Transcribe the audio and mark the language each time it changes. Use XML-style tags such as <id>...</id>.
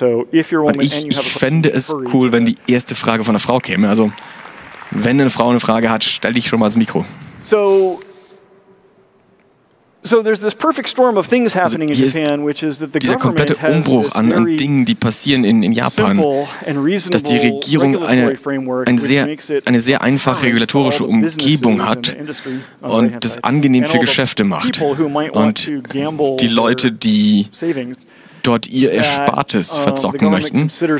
<de>Ich fände es cool, wenn die erste Frage von einer Frau käme. Also, wenn eine Frau eine Frage hat, stell dich schon mal ins Mikro.</de> <en>So there's this perfect storm of things happening in Japan, which is that the</en> <de>dieser komplette Umbruch an Dingen, die passieren in Japan, dass die Regierung eine sehr einfache regulatorische Umgebung hat und das angenehm für Geschäfte macht und die Leute, die dort ihr Erspartes verzocken möchten,</de>